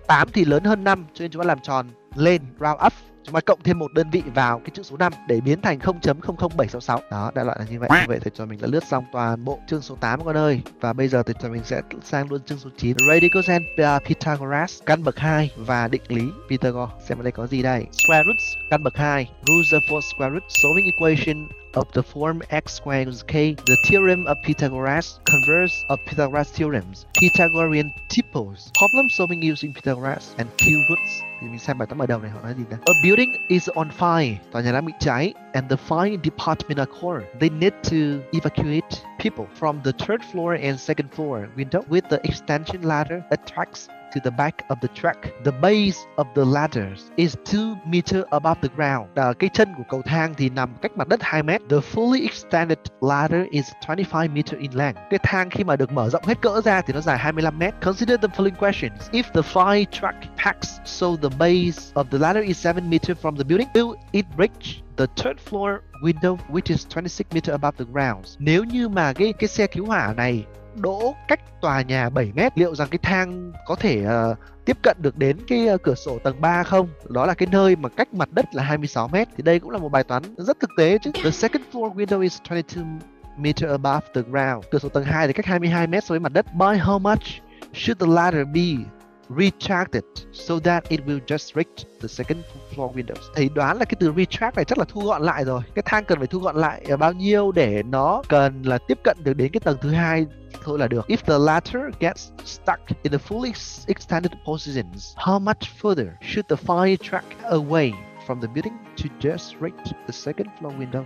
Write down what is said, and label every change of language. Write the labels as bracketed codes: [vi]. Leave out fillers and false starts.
[vi] 8 thì lớn hơn 5 cho nên chúng ta làm tròn lên, round up. Chúng ta cộng thêm một đơn vị vào cái chữ số 5 để biến thành 0.00766. Đó, đại loại là như vậy. Như vậy thì cho mình đã lướt xong toàn bộ chương số 8 con ơi. Và bây giờ thì cho mình sẽ sang luôn chương số 9. [en] Radicals and Pythagoras, [vi] căn bậc 2 và định lý Pythagoras. Xem ở đây có gì đây. Square roots, căn bậc 2. [en] Rules for square roots, solving equation of the form x squared equals k, the theorem of Pythagoras, converse of Pythagoras theorems, Pythagorean tuples, problem solving using Pythagoras, and cube roots. [vi] Thì mình xem bài tập ở đầu này họ nói gì nè. [en] A building is on fire, [vi] tòa nhà đang bị cháy, [en] and the fire department are called. They need to evacuate people from the third floor and second floor window with the extension ladder attracts to the back of the track. The base of the ladders is 2 meters above the ground. [vi] Đó, cái chân của cầu thang thì nằm cách mặt đất 2 mét. [en] The fully extended ladder is 25 meters in length. [vi] Cái thang khi mà được mở rộng hết cỡ ra thì nó dài 25 mét. [en] Consider the following questions. If the fire truck packs so the base of the ladder is 7 meters from the building, will it reach the third floor window which is 26 meters above the ground? [vi] Nếu như mà cái xe cứu hỏa này đỗ cách tòa nhà 7 mét, liệu rằng cái thang có thể tiếp cận được đến cái cửa sổ tầng 3 không? Đó là cái nơi mà cách mặt đất là 26 mét. Thì đây cũng là một bài toán rất thực tế chứ. [en] The second floor window is 22 meter above the ground. [vi] Cửa sổ tầng 2 thì cách 22 mét so với mặt đất. [en] By how much should the ladder be retracted so that it will just reach the second floor windows. [vi] Thì đoán là cái từ retract này chắc là thu gọn lại rồi. Cái thang cần phải thu gọn lại bao nhiêu để nó cần là tiếp cận được đến cái tầng thứ hai thôi là được. [en] If the ladder gets stuck in the fully extended positions, how much further should the fire track away from the building to just reach the second floor window?